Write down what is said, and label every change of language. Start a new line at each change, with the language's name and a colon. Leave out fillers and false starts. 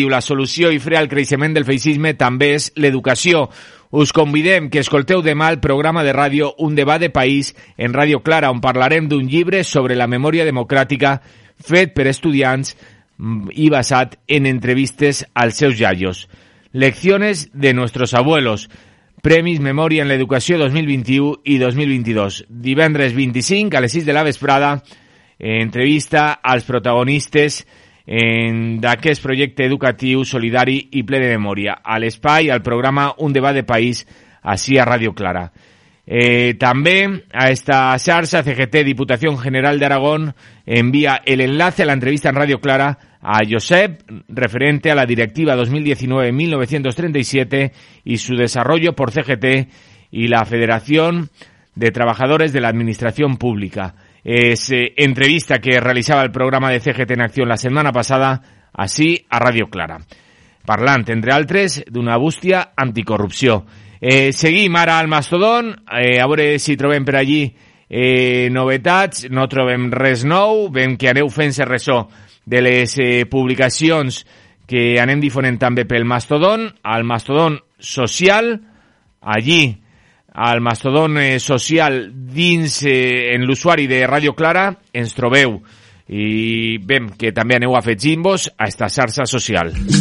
Catalan: Diu, la solució i frear el creixement del feixisme també és l'educació. Us convidem que escolteu demà el programa de ràdio Un Debat de País en Ràdio Clara, on parlarem d'un llibre sobre la memòria democràtica fet per estudiants i basat en entrevistes als seus iaios.
Spanish: Lecciones de nuestros abuelos.
Catalan: Premis Memòria en l'Educació 2021 i 2022. Divendres 25 a les 6 de la vesprada, entrevista als protagonistes d'aquest projecte educatiu solidari i ple de memòria a l'espai, al programa Un Debat de País, així a Ràdio Clara. També a esta xarxa CGT Diputació General d'Aragó envia l'enlace a l'entrevista en Ràdio Clara a Josep,
Spanish: referente a la directiva
Catalan: 2019-1937 i
Spanish: su desarrollo por
Catalan: CGT i la Federació de Trabajadores de la Administració Pública.
Spanish: Es entrevista que realizaba el programa de CGT en Acción la semana pasada, así a Radio Clara.
Catalan: Parlant, entre altres, d'una bústia anticorrupció. Seguim ara al Mastodon, a veure si trobem per allí novetats. No trobem res nou, vem que aneu fent-se ressò de les publicacions que anem difonent també pel Mastodon, al Mastodon social, allí al Mastodon social dins en l'usuari de Radio Clara ens trobeu i vem que també aneu afegint-vos a esta xarxa social.